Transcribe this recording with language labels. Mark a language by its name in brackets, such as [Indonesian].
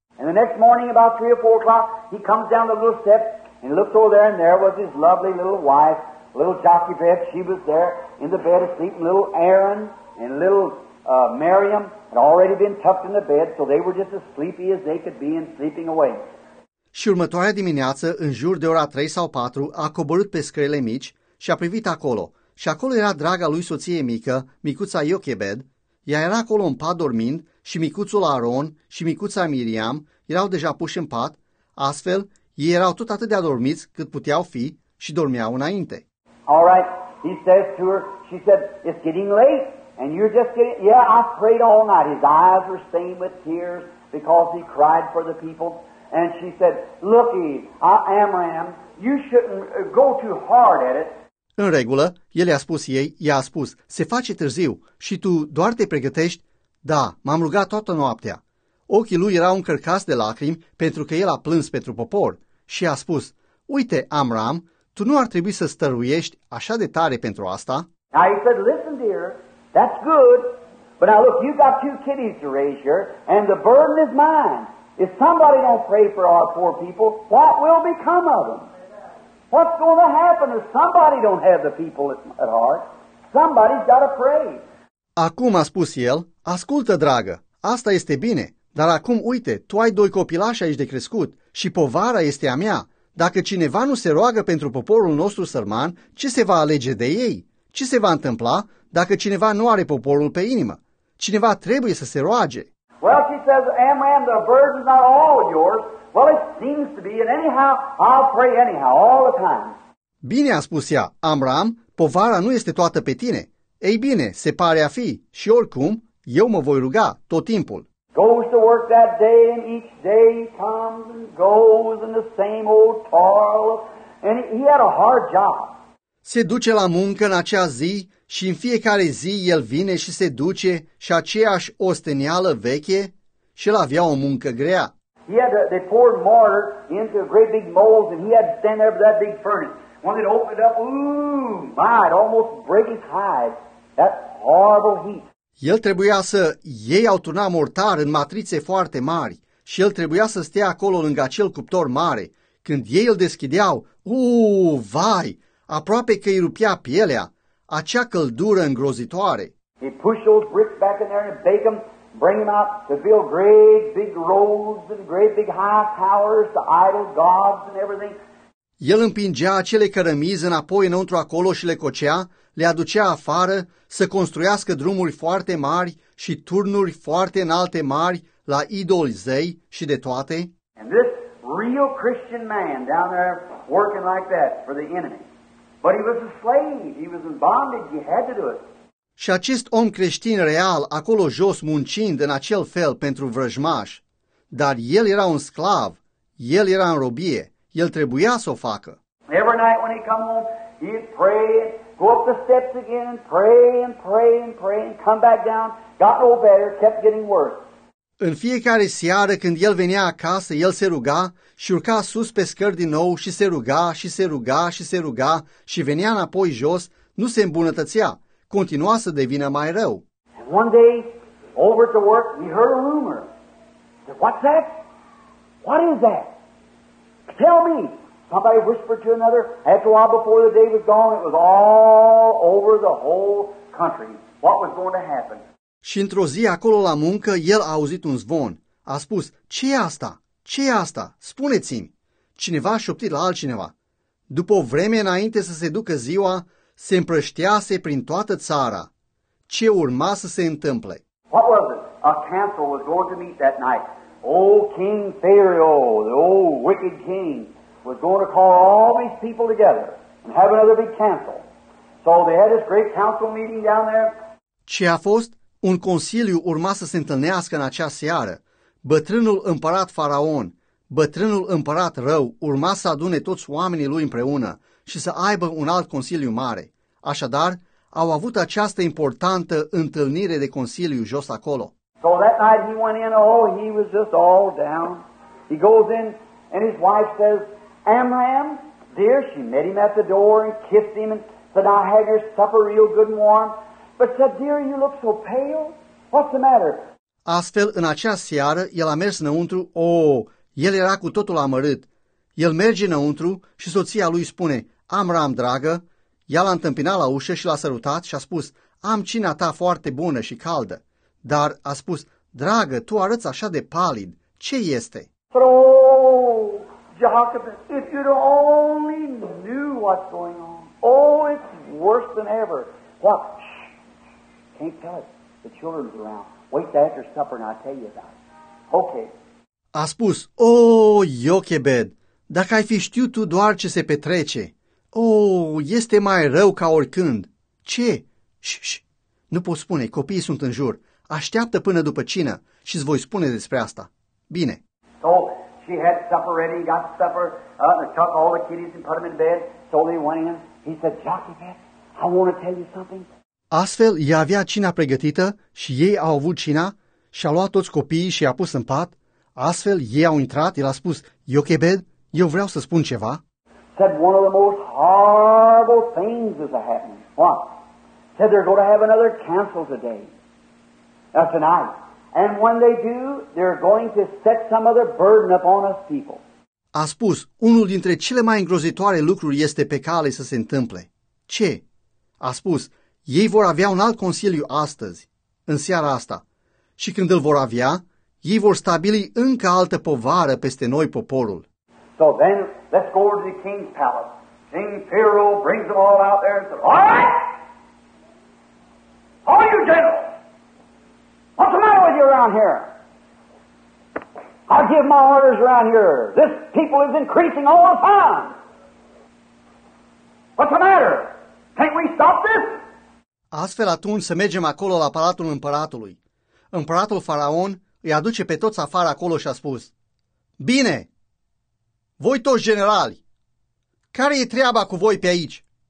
[English] And the next morning, about 3 or 4 o'clock, he comes down the little steps and looks over there and there was his lovely little wife, little Jochebed. She was there in the bed asleep. Little Aaron and little Miriam had already been tucked in the bed, so they were just as sleepy as they could be and sleeping away. [Romanian] Și următoarea dimineață, în jur de ora 3 sau 4, a coborât pe scările mici și a privit acolo. Și acolo era draga lui soție mică, micuța Jochebed, ea era acolo în pat dormind și micuțul Aaron și micuța Miriam erau deja puși în pat, astfel ei erau tot atât de adormiți cât puteau fi și dormeau înainte. [English] All right, he says to her, she said, it's getting late and you're just getting, yeah, I prayed all night. His eyes were stained with tears because he cried for the people. And she said, looky, Amram, you shouldn't go too hard at it. [Romanian] În regulă, el i-a spus ei, i-a spus, se face târziu și tu doar te pregătești? Da, m-am rugat toată noaptea. Ochii lui erau încărcați de lacrimi pentru că el a plâns pentru popor și a spus, uite, Amram, tu nu ar trebui să stăruiești așa de tare pentru asta? [English] Now he said, listen, dear, that's good, but now look, you've got 2 kiddies to raise here and the burden is mine. If somebody don't pray for our poor people, what will become of them? What's going to happen if somebody don't have the people at heart? Somebody's got to pray. [Romanian] Acum a spus el, ascultă, dragă, asta este bine, dar acum uite, tu ai 2 copilași aici de crescut și povara este a mea. Dacă cineva nu se roagă pentru poporul nostru sărman, ce se va alege de ei? Ce se va întâmpla dacă cineva nu are poporul pe inimă? Cineva trebuie să se roage. [English] Well, she says, Amram, the burden's not all yours. Well, it seems to be, and anyhow, I'll pray anyhow, all the time. [Romanian] Bine a spus ea, Amram, povara nu este toată pe tine. Ei bine, se pare a fi, și oricum, eu mă voi ruga tot timpul. [English] Goes to work that day, and each day comes and goes, and the same old toil, and he had a hard job. [Romanian] Se duce la muncă în acea zi, și în fiecare zi el vine și se duce, și aceeași osteneală veche, și el avea o muncă grea. [English] He had they poured mortar into a great big mold and he had to stand there with that big furnace. When it opened up, ooh, my, it almost break his hide. That horrible heat. [Romanian] El trebuia să... Ei au turnat mortar în matrițe foarte mari și el trebuia să stea acolo lângă acel cuptor mare. Când ei îl deschideau, vai, aproape că îi rupea pielea, acea căldură îngrozitoare. [English] He pushed those bricks back in there and bake them, bring them out to fill great big roads and great big high towers, the idol gods and everything. [Romanian] El împingea acele cărămizi înapoi înăuntru acolo și le cocea, le aducea afară să construiască drumuri foarte mari și turnuri foarte înalte mari la idoli zei și de toate. [English] And this real Christian man down there working like that for the enemy. But he was a slave. He was in bondage. He had to do it. [Romanian] Și acest om creștin real, acolo jos muncind în acel fel pentru vrăjmaș, dar el era un sclav, el era în robie, el trebuia să o facă. [English] Every night when he come home, he'd pray, go up the steps again, pray and pray and pray and come back down, got no better, kept getting worse. [Romanian] În fiecare seară când el venea acasă, el se ruga și urca sus pe scări din nou și se ruga și se ruga și se ruga și venea înapoi jos, nu se îmbunătățea. Continua să devină mai rău. [English] One day, over to work, we heard a rumor. Said, what's that? What is that? Tell me. Somebody whispered to another. After a while before the day was gone, it was all over the whole country. What was going to happen? [Romanian] Și într-o zi, acolo la muncă, el a auzit un zvon. A spus, ce e asta? Ce e asta? Spuneți-mi. Cineva a șoptit la altcineva. După o vreme înainte să se ducă ziua, se împrăștease prin toată țara. Ce urma să se întâmple? [English] What was it? A council was going to meet that night. Old King Pharaoh, the old wicked king, was going to call all these people together and have another big council. So they had this great council meeting down there. [Romanian] Ce a fost? Un consiliu urma să se întâlnească în acea seară. Bătrânul împărat Faraon, bătrânul împărat rău, urma să adune toți oamenii lui împreună și să aibă un alt consiliu mare. Așadar, au avut această importantă întâlnire de consiliu jos acolo. [English] So that night he went in, oh, he was just all down. He goes in and his wife says, Amram, dear, she met him at the door and kissed him and said, I have your supper real good and warm. But said, dear, you look so pale. What's the matter? [Romanian] Astfel, în acea seară, el a mers înăuntru, oh, el era cu totul amărât. El merge înăuntru și soția lui spune, Amram, dragă, ea l-a întâmpinat la ușă și l-a sărutat și a spus, am cina ta foarte bună și caldă. Dar a spus, dragă, tu arăți așa de palid, ce este? [English] Oh, Jacob, if you'd only knew what's going on. Oh, it's worse than ever. What? Shh. Can't tell it. The children's around. Wait till after supper and I'll tell you about it. Okay. [Romanian] A spus, oh, Jochebed, dacă ai fi știut tu doar ce se petrece. Oh, este mai rău ca oricând. Ce? Șș, nu pot spune, copiii sunt în jur. Așteaptă până după cină și îți voi spune despre asta. Bine. [English] So, she had supper ready, got supper, and took all the kiddies and put them in bed. So they went in. He said, Jochebed, I want to tell you something. [Romanian] Astfel, ea avea cina pregătită și ei au avut cina și a luat toți copiii și i-a pus în pat. Astfel, ei au intrat, el a spus, Jochebed, eu vreau să spun ceva. [English] Said one of the most horrible things is happening. What? Said they're going to have another council today. That's tonight. And when they do, they're going to set some other burden upon us people. [Romanian] A spus, unul dintre cele mai îngrozitoare lucruri este pe cale să se întâmple. Ce? A spus, ei vor avea un alt consiliu astăzi, în seara asta. Și când îl vor avea, ei vor stabili încă altă povară peste noi poporul. [English] So then, let's go over to the king's palace. King Pharaoh brings them all out there and says, all right! All you generals! What's the matter with you around here? I'll give my orders around here. This people is increasing all the time. What's the matter? Can't we stop this? [Romanian] Astfel atunci să mergem acolo la palatul împăratului. Împăratul Faraon îi aduce pe toți afară acolo și a spus, bine! Voi toți generali, care e treaba cu voi pe aici?